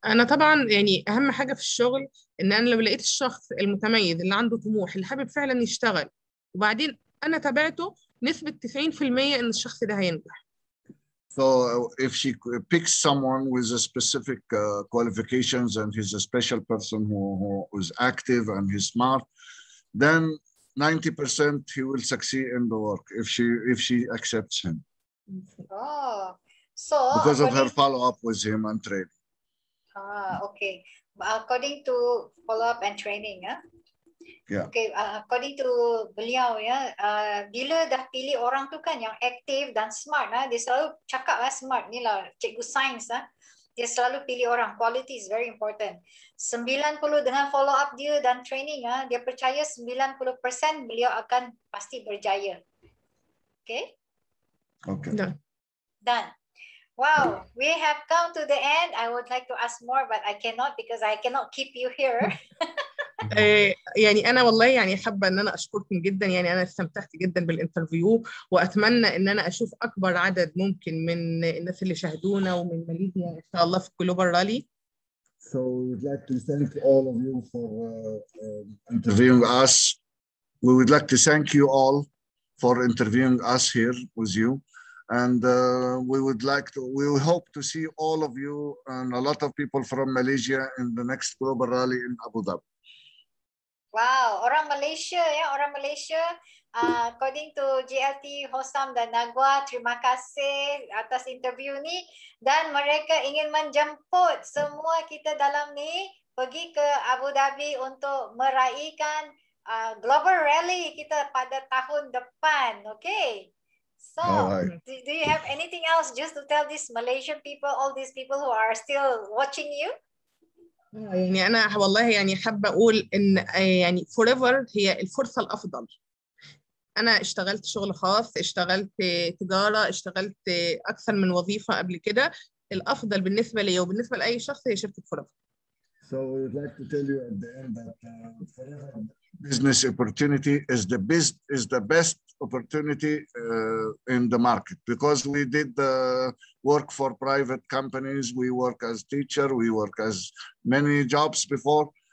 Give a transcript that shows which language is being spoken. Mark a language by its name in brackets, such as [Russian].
[Arabic] أنا طبعا يعني أهم حاجة في الشغل إن أنا لو لقيت الشخص المتميز اللي عنده طموح اللي حابب فعلا يشتغل وبعدين أنا تابعته نسبة 90% إن الشخص ده هينجح. [English] So if she picks someone with a specific qualifications and he's a special person who is active and he's smart, then 90% he will succeed in the work if she accepts him. Oh, so because of her follow-up with him and training. Okay. According to follow-up and training, yeah. [Malay] Okay, according to beliau, bila dah pilih orang tu kan yang active dan smart, dia selalu cakap smart ni lah, cikgu sains, dia selalu pilih orang. [English] Quality is very important. [Malay] 90 dengan follow-up dia dan training, dia percaya 90% beliau akan pasti berjaya. Okay? [English] Okay. Done. Wow, we have come to the end. I would like to ask more, but I cannot because I cannot keep you here. [Arabic] يعني أنا والله يعني حابة أن أنا أشكركم جدا، يعني أنا استمتعت جدا بالإنترفيو وأتمنى أن أنا أشوف أكبر عدد ممكن من الناس اللي شاهدونا ومن ماليزيا إن شاء الله في جلوبال رالي. [English] So we'd like to thank all of you for interviewing us. We would like to thank you all for interviewing us here with you. And we hope to see all of you and a lot of people from Malaysia in the next global rally in Abu Dhabi. [Malay] Wow, orang Malaysia, orang Malaysia, according to GLT Hosam dan Nagwa, terima kasih atas interview ni. Dan mereka ingin menjemput semua kita dalam ni pergi ke Abu Dhabi untuk meraihkan global rally kita pada tahun depan. Okay. [English] So, do you have anything else just to tell these Malaysian people, all these people who are still watching you? [Arabic] يعني أنا والله يعني حابة أقول إن يعني forever هي الفرصة الأفضل. أنا اشتغلت شغل خاص، اشتغلت تجارة، اشتغلت أكثر من وظيفة قبل كده. الأفضل بالنسبة لي وبالنسبة لأي شخص هي شركة forever. [English] So we'd like to tell you at the end that forever business opportunity is the best opportunity in the market, because we did the work for private companies, we work as teacher, we work as many jobs before.